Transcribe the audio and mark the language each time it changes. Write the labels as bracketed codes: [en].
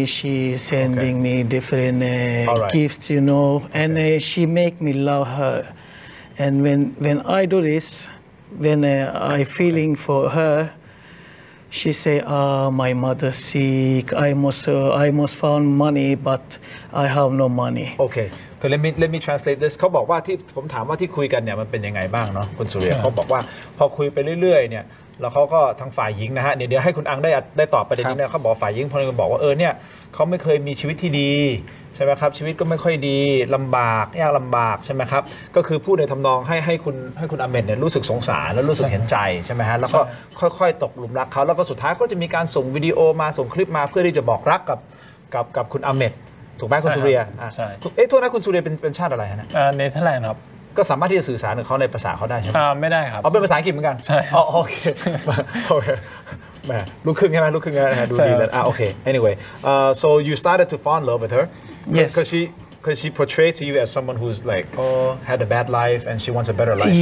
[en] She sending okay. me different right. gifts, you know. And okay. She make me love her. And when I do this, when I feeling okay. for her, she say, "Ah, my mother sick. I must found money, but I have no money." Okay. So let me translate this. [th] เขาบอกว่าที่ผมถามว่าที่คุยกันเนี่ยมันเป็นยังไงบ้างเนาะคุณสุริยะเขาบอกว่าพอคุยไปเรื่อยๆเนี่ยแล้วเขาก็ทางฝ่ายหญิงนะฮะเดี๋ยวให้คุณอังได้ตอบประเด็นนี้เนี่ยเขาบอกฝ่ายหญิงพอเลยบอกว่าเนี่ยเขาไม่เคยมีชีวิตที่ดีใช่ไหมครับชีวิตก็ไม่ค่อยดีลำบากยากลำบากใช่ไหมครับก็คือพูดในทำนองให้คุณอาเมดเนี่ยรู้สึกสงสารแล้วรู้สึกเห็นใจใช่ไหมฮะแล้วก็ค่อยๆตกหลุมรักเขาแล้วก็สุดท้ายก็จะมีการส่งวิดีโอมาส่งคลิปมาเพื่อที่จะบอกรักกับคุณอาเมดถูกไหมคุณสุเรีย ใช่ เอ๊ะโทษนะคุณสุเรียเป็นชาติอะไรฮะ เนเธอร์แลนด์ครับ ก็สามารถที่จะสื่อสารกับเขาในภาษาเขาได้ใช่ไหม ไม่ได้ครับ เป็นภาษาอังกฤษเหมือนกัน ใช่โอเคโอเคแหมลูกครึ่งใช่ไหมลูกครึ่งนะดูดีแล้วโอเค [en] anyway so you started to fall in love with her yes because she portrayed to you as someone who's like oh had a bad life and she wants a better life